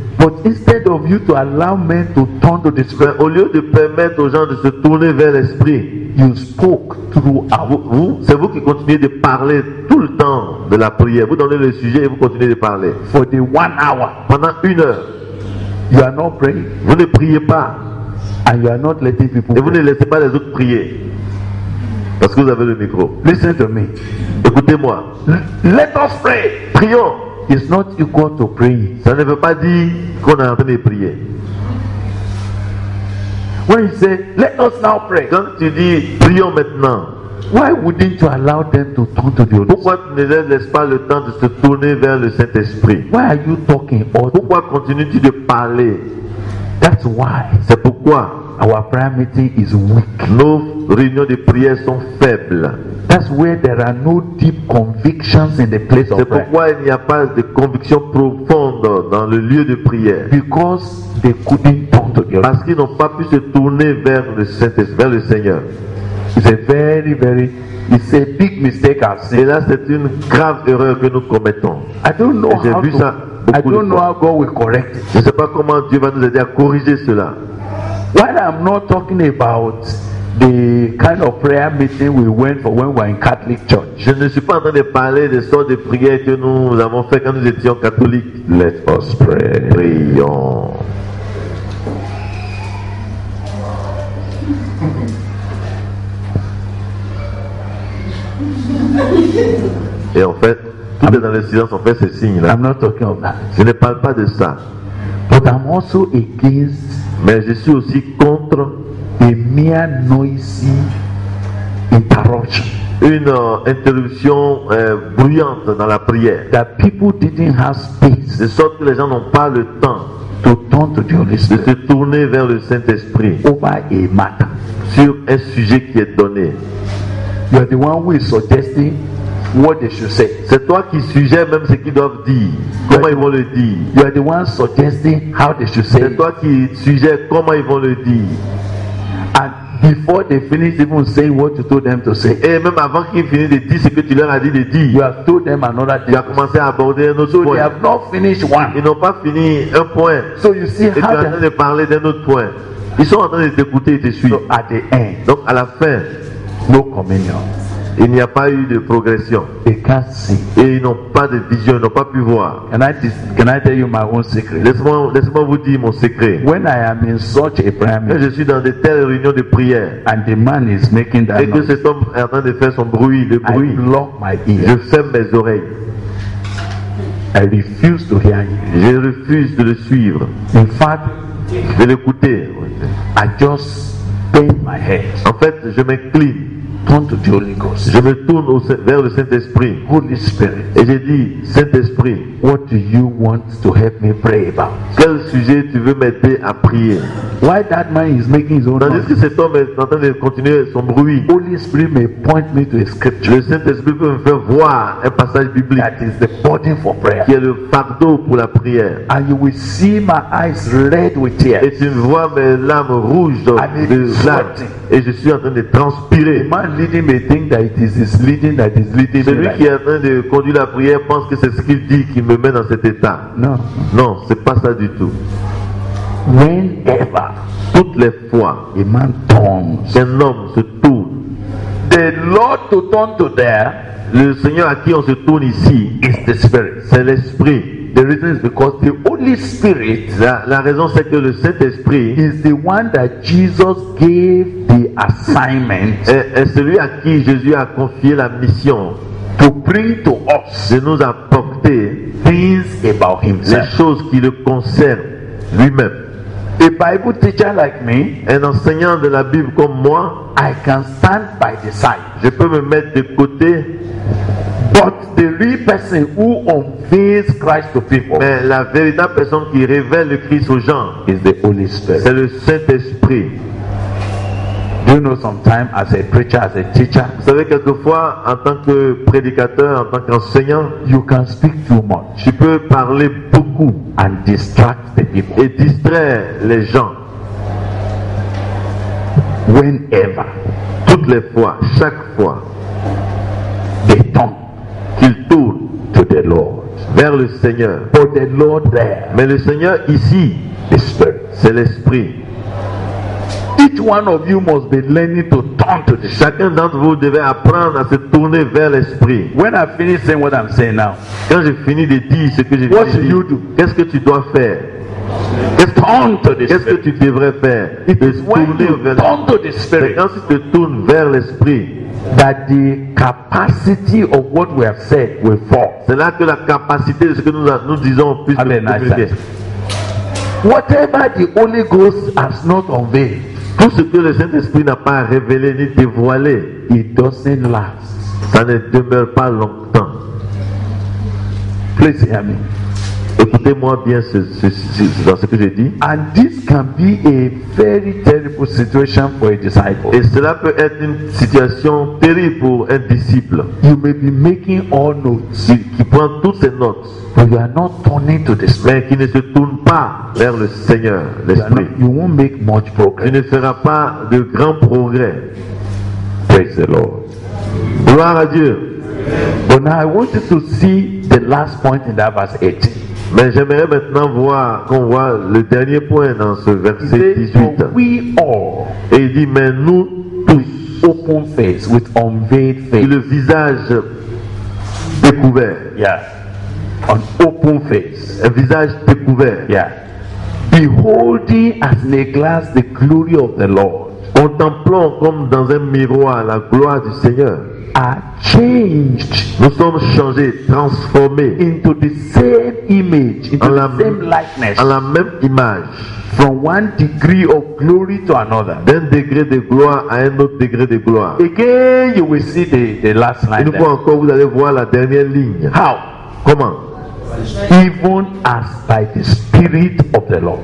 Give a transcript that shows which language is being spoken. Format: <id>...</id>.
<en>But instead of you to allow men to turn to the Spirit,</en> <fr>au lieu de permettre aux gens de se tourner vers l'Esprit,</fr> <en>you spoke through</en> <fr>vous, c'est vous qui continuez de parler tout le temps de la prière. Vous donnez le sujet et vous continuez de parler.</fr> <en>For the 1 hour,</en> <fr>pendant une heure,</fr> <en>you are not praying.</en> <fr>Vous ne priez pas,</fr> <en>and you are not letting people.</en> <fr>Et pray. Vous ne laissez pas les autres prier parce que vous avez le micro.</fr> <en>Listen to me.</en> <fr>Écoutez-moi.</fr> <en>Let us pray.</en> <fr>Prions.</fr> <en>It's not equal to pray.</en> <fr>Ça ne veut pas dire qu'on est en train de prier.</fr> <en>When you say, let us now pray.</en> <fr>Quand tu dis, prions maintenant.</fr> <en>Why wouldn't you allow them to turn to the Holy</en> <fr>Pourquoi ne laisse pas le temps de se tourner vers le Saint-Esprit?</fr> <en>Why are you talking?</en> <fr>Pourquoi continues-tu de parler?</fr> <en>That's why.</en> <fr>C'est pourquoi.</fr> <en>Our prayer meeting is weak.</en> <fr>Nos réunions de prière sont faibles.</fr> <en>That's where there are no deep convictions in the place</en> <fr>c'est</fr> <en>of prayer.</en> <fr>C'est pourquoi il n'y a pas de conviction profonde dans le lieu de prière.</fr> <en>Because they couldn't turn to God.</en> <fr>Parce qu'ils n'ont pas pu se tourner vers le Saint-Esprit, vers le Seigneur.</fr> <en>It's a very, very, it's a big mistake I've seen.</en> <fr>Et là, c'est une grave erreur que nous commettons.</fr> <en>I don't know</en> <fr>j'ai</fr> <en>how</en> <fr>vu</fr> <en>to,</en> <fr>ça beaucoup</fr> <en>I don't know how God will correct it.</en> <fr>Je ne sais pas comment Dieu va nous aider à corriger cela.</fr> <en>While I'm not talking about the kind of prayer meeting we went for when we were in Catholic church.</en> <fr>Je ne suis pas en train de parler des sortes de prières que nous avons fait quand nous étions catholiques.</fr> <en>Let us pray.</en> <fr>Prions. Et en fait, tout est dans le silence, on fait ces signes là.</fr> <en>I'm not talking of that.</en> <fr>Je ne parle pas de ça.</fr> <en>But I'm also against.</en> <fr>Mais je suis aussi contre</fr> <en>a mere noisy interruption.</en> <fr>Une interruption bruyante dans la prière.</fr> <en>That people didn't have space.</en> <fr>De sorte que les gens n'ont pas le temps</fr> <en>to turn to the Holy Spirit.</en> <fr>De se tourner vers le Saint-Esprit.</fr> <en>Over a matter.</en> <fr>Sur un sujet qui est donné.</fr> <en>You are the one who is suggesting what they should say.</en> <fr>C'est toi qui suggères même ce qu'ils doivent dire. Comment ils vont le dire?</fr> <en>You are the one suggesting how they should say.</en> <fr>C'est toi qui suggères comment ils vont le dire.</fr> <en>And before they finish even saying what you told them to say.</en> <fr>Et même avant qu'ils finissent de dire ce que tu leur as dit de dire.</fr> <en>You have told them another thing.</en> <fr>Tu as commencé à aborder un autre</fr> <en>so</en> <fr>point.</fr> <en>They have not finished one.</en> <fr>Ils n'ont pas fini un point.</fr> <en>So you see</en> <fr>et</fr> <en>how</en> <fr>tu es en train de parler d'un autre point. Ils sont en train de t'écouter et te suivre.</fr> <en>So at the end,</en> <fr>donc à la fin,</fr> <en>no communion.</en> <fr>Il n'y a pas eu de progression.</fr> <en>They can't see.</en> <fr>Et ils n'ont pas de vision, ils n'ont pas pu voir.</fr> <en>Can I tell you my own secret?</en> <fr>Laisse-moi vous dire mon secret.</fr> <en>When I am in such a prayer meeting,</en> <fr>quand je suis dans de telles réunions de prière,</fr> <en>and the man is making that</en> <fr>et que cet homme est en train de faire son bruit, le bruit,</fr> <en>I block my ears.</en> <fr>Je ferme mes oreilles.</fr> <en>I refuse to hear him.</en> <fr>Je refuse de le suivre.</fr> <en>In fact,</en> <fr>je vais l'écouter.</fr> <en>I just bend my head.</en> <fr>En fait, je m'incline.</fr> <en>Turn to the Holy Ghost.</en> <fr>Je me tourne vers le Saint-Esprit.</fr> <en>Holy Spirit.</en> <fr>Et j'ai dit, Saint-Esprit,</fr> <en>what do you want to help me pray about?</en> <fr>Quel sujet tu veux m'aider à prier?</fr> <en>Why that man is making his own noise?</en> <fr>Tandis que cet homme est en train de continuer son bruit.</fr> <en>Holy Spirit may point me to a scripture.</en> <fr>Le Saint-Esprit peut me faire voir un passage biblique.</fr> <en>That is the burden for prayer.</en> <fr>Qui est le fardeau pour la prière.</fr> <en>And you will see my eyes red with tears.</en> <fr>Et tu vois mes larmes rouges de larmes. Et je suis en train de transpirer.</fr> <en>Leading may think that it is his leading that is leading.</en> <fr>Celui qui est en train de conduire la prière pense que c'est ce qu'il dit qui me met dans cet état. Non, non, c'est pas ça du tout.</fr> <en>Whenever,</en> <fr>toutes les fois,</fr> <en>a man turns,</en> <fr>un homme se tourne.</fr> <en>The Lord to turn to there,</en> <fr>le Seigneur à qui on se tourne ici,</fr> <en>is the Spirit.</en> <fr>C'est l'Esprit.</fr> <en>The reason is because the Holy Spirit,</en> <fr>la raison c'est que le Saint-Esprit,</fr> <en>is the one that Jesus gave the assignment,</en> <fr>est celui à qui Jésus a confié la mission,</fr> <en>to bring to us,</en> <fr>de nous apporter,</fr> <en>things about himself,</en> <fr>les choses qui le concernent lui-même.</fr> <en>A Bible teacher like me,</en> <fr>un enseignant de la Bible comme moi,</fr> <en>I can stand by the side,</en> <fr>je peux me mettre de côté.</fr> <en>But the real person who unveils Christ to people,</en> <fr>mais la véritable personne qui révèle le Christ aux gens,</fr> <en>is the Holy Spirit.</en> <fr>C'est le Saint-Esprit.</fr> <en>Do you know sometimes as a preacher, as a teacher,</en> <fr>vous savez quelquefois en tant que prédicateur, en tant qu'enseignant,</fr> <en>you can speak too much.</en> <fr>Tu peux parler beaucoup</fr> <en>and distract the people.</en> <fr>Et distraire les gens.</fr> <en>Whenever,</en> <fr>toutes les fois, chaque fois,</fr> <en>they tombe.</en> <fr>Qu'il tourne</fr> <en>to the Lord,</en> <fr>vers le Seigneur.</fr> <en>But the Lord there,</en> <fr>mais le Seigneur ici,</fr> <en>the Spirit,</en> <fr>c'est l'Esprit.</fr> <en>Each one of you must be learning to turn to the.</en> <fr>Chacun d'entre vous devait apprendre à se tourner vers l'Esprit.</fr> <en>When I finish saying what I'm saying now,</en> <fr>quand j'ai fini de dire ce que j'ai</fr> <en>dit, what should you do?</en> <fr>Qu'est-ce que tu dois faire?</fr> <en>Just turn to the.</en> <fr>Qu'est-ce que tu devrais faire?</fr> <en>Turn to the Spirit.</en> <fr>Quand tu te tournes vers l'Esprit.</fr> <en>That the capacity of what we have said will fall.</en> <fr>C'est là que la capacité de ce que nous disons puisse se manifester.</fr> <en>Whatever the Holy Ghost has not unveiled,</en> <fr>tout ce que le Saint-Esprit n'a pas révélé ni dévoilé,</fr> <en>it doesn't last.</en> <fr>Ça ne demeure pas longtemps.</fr> <en>Please hear me.</en> <fr>Écoutez-moi bien dans ce que j'ai dit.</fr> <en>And this can be a very terrible situation for a disciple.</en> <fr>Et cela peut être une situation terrible pour un disciple.</fr> <en>You may be making all notes.</en> <fr>Qui prend toutes ses notes.</fr> <en>But you are not turning to the Spirit.</en> <fr>Mais qui ne se tourne pas vers le Seigneur, l'Esprit.</fr> <en>You won't make much progress.</en> <fr>Tu ne feras pas de grand progrès.</fr> <en>Praise the Lord.</en> <fr>Gloire à Dieu.</fr> <en>But now I want you to see the last point in that verse 18.</en> <fr>Mais j'aimerais maintenant voir qu'on voit le dernier point dans ce verset 18.</fr> <en>We all,</en> <fr>et il dit, mais nous tous,</fr> <en>open face with unveiled face,</en> <fr>le visage découvert,</fr> <en>yeah, an open face,</en> <fr>un visage découvert,</fr> <en>yeah, beholding as in a glass the glory of the Lord,</en> <fr>contemplant comme dans un miroir la gloire du Seigneur.</fr> <en>Are changed.</en> <fr>Nous sommes changés, transformés</fr> <en>into the same image, into the same likeness,</en> <fr>en la même image,</fr> <en>from one degree of glory to another,</en> <fr>d'un degré de gloire à un autre degré de gloire.</fr> <en>Again, you will see the last line.</en> <fr>Une fois encore, vous allez voir la dernière ligne.</fr> <en>How?</en> <fr>Comment?</fr> <en>Even as by the Spirit of the Lord.</en>